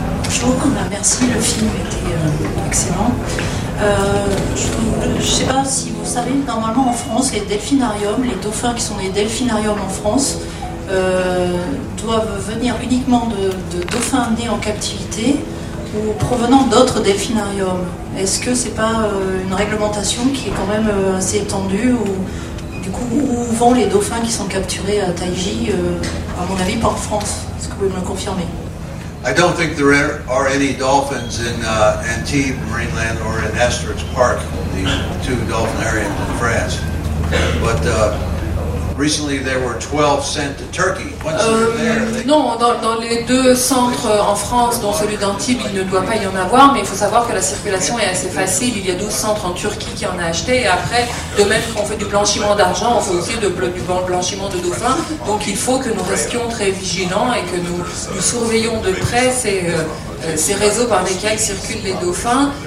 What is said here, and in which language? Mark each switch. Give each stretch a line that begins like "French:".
French: Je trouve qu'on a merci, le film était excellent. Je ne sais pas si vous savez, normalement en France, les delphinariums, les dauphins qui sont des delphinariums en France, doivent venir uniquement de dauphins nés en captivité. Ou provenant d'autres delphinariums, est-ce que c'est pas une réglementation qui est quand même assez étendue, ou du coup où vont les dauphins qui sont capturés à Taiji, à mon avis pas en France, est-ce que vous pouvez me le confirmer?
English: I don't think there are any dolphins in Antibes Marineland or in Asterix Park, these two dolphin areas in France, but recently, there were 12 sent to Turkey.
French: Non, dans les deux centres en France, dont celui d'Antibes, il ne doit pas y en avoir, mais il faut savoir que la circulation est assez facile. Il y a 12 centres en Turquie qui en a acheté, et après, de même qu'on fait du blanchiment d'argent, on fait aussi du blanchiment de dauphins. Donc il faut que nous restions très vigilants et que nous surveillons de près ces réseaux par lesquels circulent les dauphins.